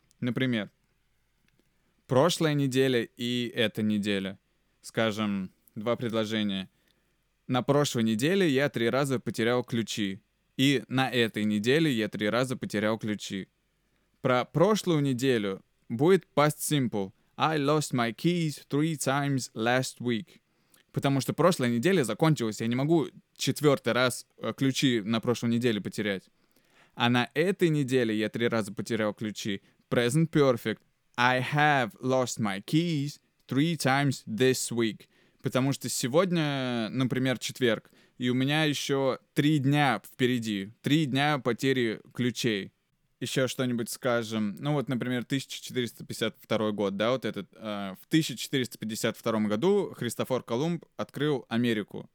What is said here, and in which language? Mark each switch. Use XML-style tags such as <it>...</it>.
<ru>Например, прошлая неделя и эта неделя. Скажем, два предложения. На прошлой неделе я 3 раза потерял ключи. И на этой неделе я 3 раза потерял ключи. Про прошлую неделю будет past simple.</ru> <en>I lost my keys 3 times last week.</en> <ru>Потому что прошлая неделя закончилась, я не могу 4-й раз ключи на прошлой неделе потерять. А на этой неделе я 3 раза потерял ключи.</ru> <en>Present perfect. I have lost my keys 3 times this week.</en> <ru>Потому что сегодня, например, четверг, и у меня еще 3 дня впереди. 3 дня потери ключей. Еще что-нибудь скажем. Ну вот, например, 1452 год, да, вот этот. В 1452 году Христофор Колумб открыл Америку.</ru>